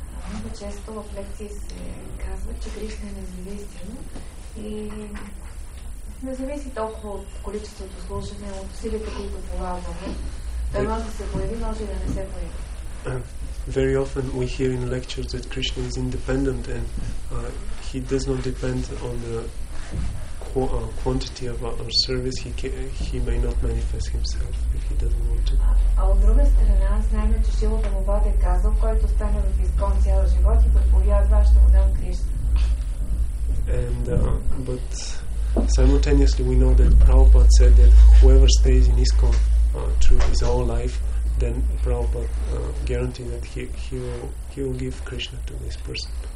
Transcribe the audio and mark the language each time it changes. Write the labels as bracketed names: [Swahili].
[Bulgarian] Много често в лекции се казва, че Кришна е независимо и не зависи толкова от количеството слушане, от усилията, които полагаме. Да може да се появи, може да не се появи. [English] Very often we hear in lectures that Krishna is independent and he does not depend on the quantity of our service. He may not manifest himself if he doesn't want to. [Bulgarian] А от друга страна, знаем, че Шрила Прабхупада е казал, който стане в ИСКОН цял живот и проповядва, ще му дам Кришна. [English] And but simultaneously we know that Prabhupada said that whoever stays in ISKCON through his whole life, then Prabhupada guarantee that he will give Krishna to this person.